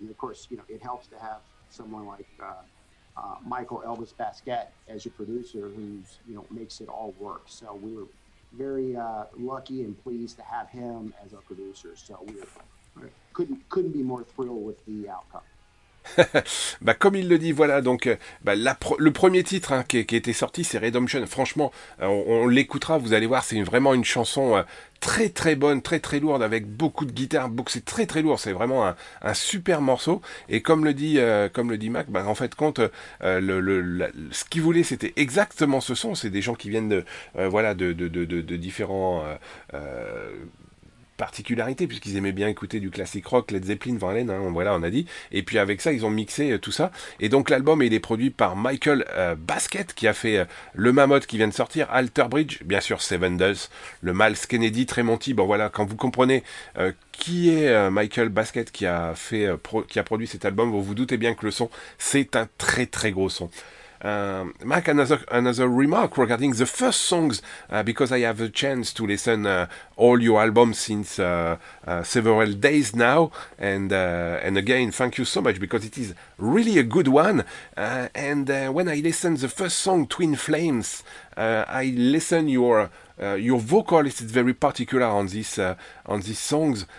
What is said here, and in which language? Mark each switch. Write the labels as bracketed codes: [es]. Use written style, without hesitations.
[en] And of course, you know, it helps to have someone like Michael Elvis Basquette as your producer, who's, you know, makes it all work. So we were very lucky and pleased to have him as our producer. So we couldn't be more thrilled with the outcome. [fr] Bah, comme il le dit, voilà, donc le premier titre hein, qui était sorti, c'est Redemption. Franchement, on l'écoutera, vous allez voir, c'est vraiment une chanson très très bonne, très très lourde, avec beaucoup de guitare, c'est très très lourd, c'est vraiment un super morceau. Et comme le dit Mac, bah, en fait, compte, ce qu'il voulait, c'était exactement ce son. C'est des gens qui viennent de différents... particularité, puisqu'ils aimaient bien écouter du classique rock, Led Zeppelin, Van Halen, hein, voilà, on a dit. Et puis avec ça, ils ont mixé tout ça. Et donc l'album, il est produit par Michael Basquette, qui a fait le Mammoth qui vient de sortir, Alter Bridge, bien sûr Seven Dust, le Miles Kennedy, Tremonti. Bon voilà, quand vous comprenez qui est Michael Basquette qui a produit cet album, vous vous doutez bien que le son, c'est un très très gros son. [en] Mac, another remark regarding the first songs, because I have a chance to listen all your albums since several days now, and again, thank you so much, because it is really a good one, and when I listen the first song, Twin Flames, I listen your vocal, it's very particular on these songs.